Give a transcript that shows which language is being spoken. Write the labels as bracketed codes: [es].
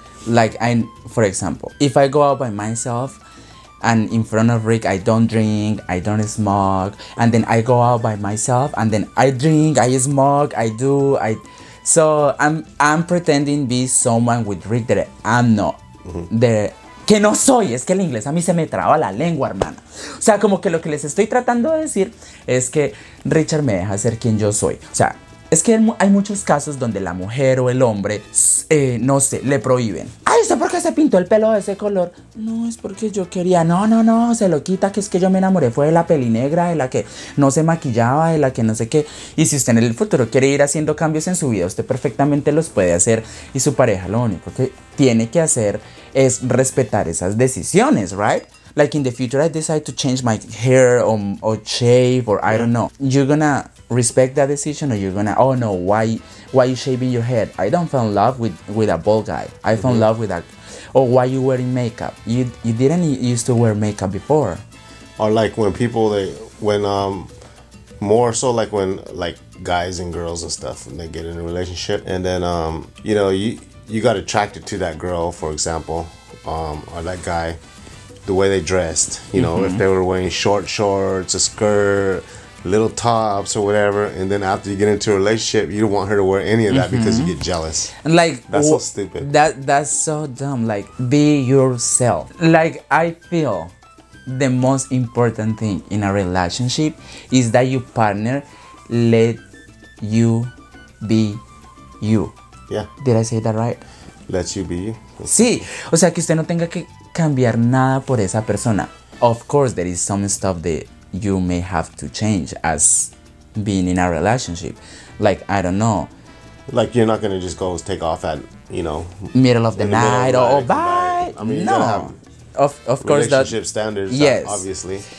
[en] Like, I, for example, if I go out by myself, and in front of Rick, I don't drink, I don't smoke, and then I go out by myself, and then I drink, I smoke, I do, I. So I'm pretending to be someone with Rick that I'm not. Mm-hmm. [es] Que no soy, es que el inglés a mí se me traba la lengua, hermana. O sea, como que lo que les estoy tratando de decir es que Richard me deja ser quien yo soy. O sea, es que hay muchos casos donde la mujer o el hombre, no sé, le prohíben. Ay, ¿usted por qué se pintó el pelo de ese color? No, es porque yo quería. No, no, no, se lo quita, que es que yo me enamoré. Fue de la peli negra, de la que no se maquillaba, de la que no sé qué. Y si usted en el futuro quiere ir haciendo cambios en su vida, usted perfectamente los puede hacer. Y su pareja lo único que tiene que hacer es respetar esas decisiones, ¿right? [en] Like, in the future I decide to change my hair or shave or I don't know. You're gonna respect that decision, or you're gonna, oh no, why are you shaving your head? I don't fall in love with a bald guy. I fell in love with a, or why are you wearing makeup? You didn't used to wear makeup before. Or like when people, they, when more so like when, like, guys and girls and stuff, when they get in a relationship, and then you know, you got attracted to that girl, for example, or that guy, the way they dressed, you know, if they were wearing short shorts, a skirt, little tops or whatever, and then after you get into a relationship, you don't want her to wear any of that because you get jealous. And like, that's so stupid. That's so dumb. Like, be yourself. Like, I feel the most important thing in a relationship is that your partner let you be you. Yeah. Did I say that right? Let you be you. [es] Sí. O sea, que usted no tenga que cambiar nada por esa persona. [en] Of course, there is some stuff that you may have to change as being in a relationship. Like, I don't know. Like, you're not gonna just go take off at, you know, middle of the night, or oh, bye. I mean, no. Of course, relationship that, standards, yes, obviously.